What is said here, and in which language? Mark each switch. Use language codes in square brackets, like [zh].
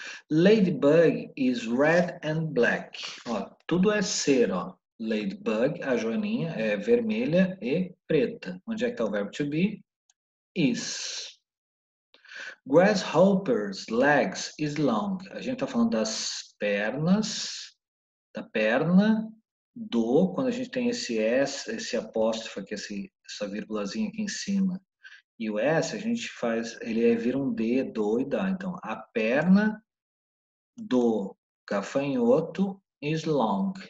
[en] Ladybug is red and black. [pt] Ó, tudo é ser, ó. Ladybug, a joaninha, é vermelha e preta. Onde é que está o verbo to be? [en] Is. Grasshopper's legs is long. [pt] A gente está falando das pernas, da perna, do, quando a gente tem esse S, esse apóstrofo aqui, essa virgulazinha aqui em cima, e o S, a gente faz, ele vira um D, do e da. Então, a perna do gafanhoto [en] is long.